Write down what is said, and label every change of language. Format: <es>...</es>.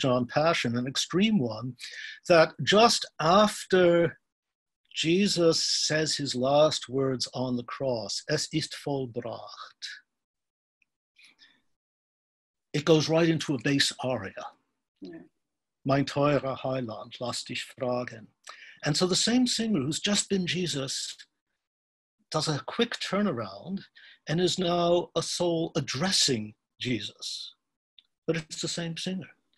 <en>John Passion, an extreme one, that just after Jesus says his last words on the cross,</en> <de>es ist vollbracht,</de> <en>it goes right into a bass aria. Yeah.</en> <de>Mein teurer Heiland, lass dich fragen.</de> <en>And so the same singer who's just been Jesus does a quick turnaround and is now a soul addressing Jesus, but it's the same singer.</en>